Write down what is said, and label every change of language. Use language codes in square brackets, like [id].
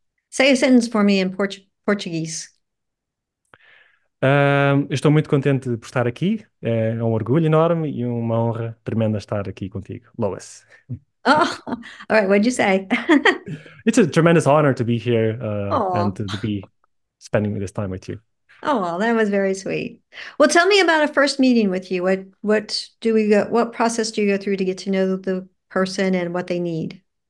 [en] Say a sentence for me in Portuguese. [pt] Estou muito contente por estar aqui. É um orgulho enorme e uma honra tremenda estar aqui contigo, Lois. [en] Oh, all right. What'd you say? It's a tremendous honor to be here and to be spending this time with you. Oh, well, that was very sweet. Well, tell me about a first meeting with you. What process do you go through to get to know the person and what they need?